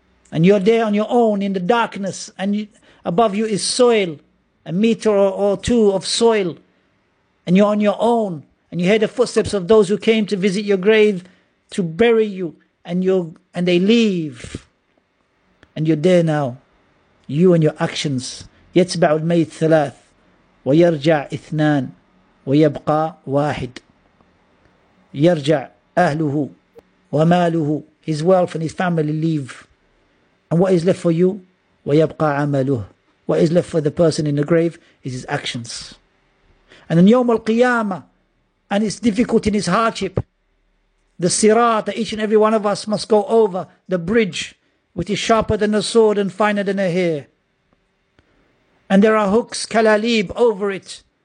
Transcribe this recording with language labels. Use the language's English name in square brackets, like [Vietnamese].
[English] And you're there on your own in the darkness, and above you is soil, a meter or two of soil, and you're on your own, and you hear the footsteps of those who came to visit your grave to bury you, and they leave, and you're there now, you and your actions. [Arabic] يَتْبَعُ الْمَيْتِ ثَلَاثِ وَيَرْجَعْ إِثْنَانِ ويبقى واحد يرجع أهله وماله. [English] His wealth and his family leave, and what is left for you? [Arabic] ويبقى عمله. [English] What is left for the person in the grave is his actions. And in يوم القيامة, and it's difficult in his hardship, the sirat that each and every one of us must go over, the bridge which is sharper than a sword and finer than a hair, and there are hooks كلاليب over it.